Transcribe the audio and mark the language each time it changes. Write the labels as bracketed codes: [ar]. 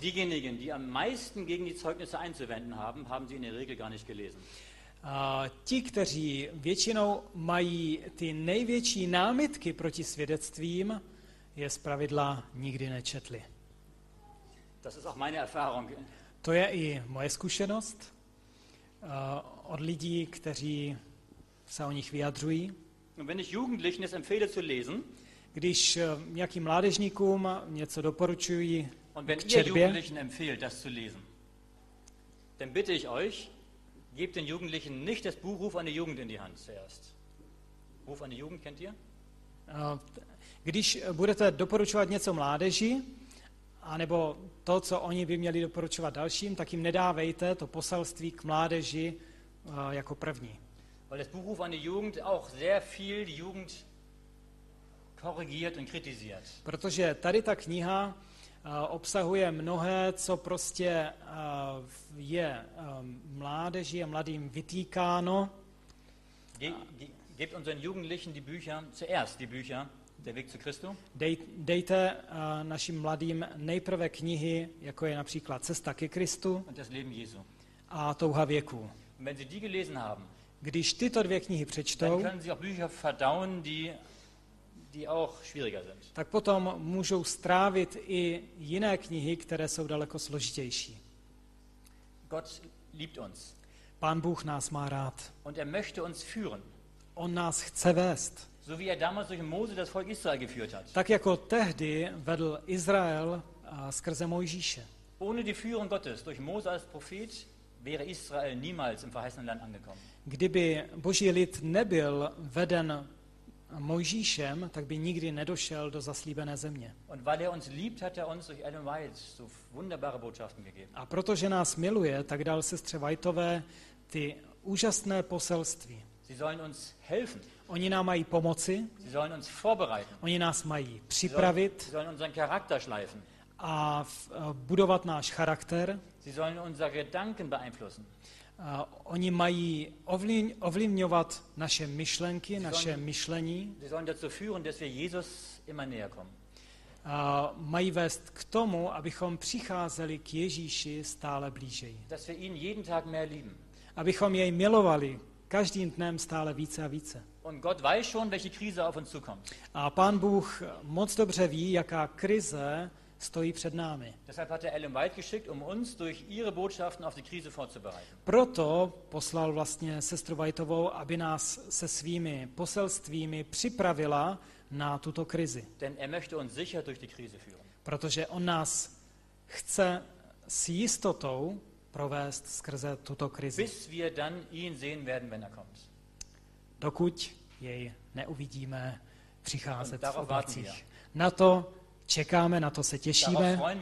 [de] Diejenigen, die am meisten gegen die Zeugnisse einzuwenden haben, haben sie in der Regel gar nicht gelesen. [cs] Ti, kteří většinou mají ty největší námitky proti svědectvím, je zpravidla nikdy nečetli. [de] Das ist auch meine Erfahrung. [cs] To je i moje zkušenost od lidí, kteří se o nich vyjadřují. [de] Und wenn ich Jugendlichen es empfehle zu lesen, [cs] když nějakým mládežníkům něco doporučuji, [de] und wenn ihr Jugendlichen empfehlt, das zu lesen, dann bitte ich euch, gebt den Jugendlichen nicht das Buch Ruf an die Jugend in die Hand zuerst. Ruf an die Jugend kennt ihr? [cs] Když budete doporučovat něco mládeži, anebo to, co oni by měli doporučovat dalším, tak jim nedávejte to poselství k mládeži jako první. [de] Weil das Buch Ruf an die Jugend auch sehr viel die Jugend korrigiert und kritisiert. [cs] Protože tady ta kniha obsahuje mnohé, co prostě je mládeži a mladým vytýkáno. [de] Gebt unseren Jugendlichen die Bücher zuerst, die Bücher Der Weg zu Christu. [cs] Dejte našim mladým nejprve knihy, jako je například Cesta ke Kristu [de] und das Leben Jesu. [cs] A Touha věku. [de] Wenn sie die gelesen haben, [cs] když tyto dvě knihy přečtou, [de] dann können sie auch Bücher verdauen, die auch schwieriger sind. [cs] Tak potom můžou strávit i jiné knihy, které jsou daleko složitější. [de] Gott liebt uns. [cs] Pán Bůh nás má rád. [de] Und er möchte uns führen. [cs] On nás chce vést. [de] So wie er damals durch Mose das Volk Israel geführt hat. [cs] Tak jako tehdy vedl Izrael skrze Mojžíše. [de] Ohne die Führung Gottes durch Mose als Prophet wäre Israel niemals im verheißenen Land angekommen. [cs] Kdyby Boží lid nebyl veden Mojžíšem, tak by nikdy nedošel do zaslíbené země. [de] Und weil er uns liebt, hat er uns durch Ellen White so wunderbare Botschaften gegeben. [cs] A protože nás miluje, tak dal sestře Whiteové ty úžasné poselství. [de] Sie sollen uns helfen. [cs] Oni nám mají pomoci. [de] Sie sollen uns vorbereiten. [cs] Oni nás mají připravit. [de] Sie sollen unseren Charakter schleifen. [cs] A budovat náš charakter. [de] Sie sollen unsere Gedanken beeinflussen. [cs] Oni mají ovlivňovat naše myšlenky, [de] sie [cs] naše myšlení. [de] Sie sollen dazu führen, dass wir Jesus immer näher kommen. [cs] mají vést k tomu, abychom přicházeli k Ježíši stále blížeji. [de] Dass wir ihn jeden Tag mehr lieben. [cs] Abychom jej milovali každým dnem stále více a více. [de] Und Gott weiß schon, welche Krise auf uns zukommt. [cs] A Pán Bůh moc dobře ví, jaká krize stojí před námi. [de] Deshalb hat er Ellen White geschickt, um uns durch ihre Botschaften auf die Krise vorzubereiten. [cs] Proto poslal vlastně sestru Whiteovou, aby nás se svými poselstvími připravila na tuto krizi. [de] Denn er möchte uns sicher durch die Krise führen. [cs] Protože on nás chce s jistotou provést skrze tuto krizi. [de] Bis wir dann ihn sehen werden, wenn er kommt. [cs] Dokud jej neuvidíme přicházet v oblacích. Na to čekáme, na to se těšíme.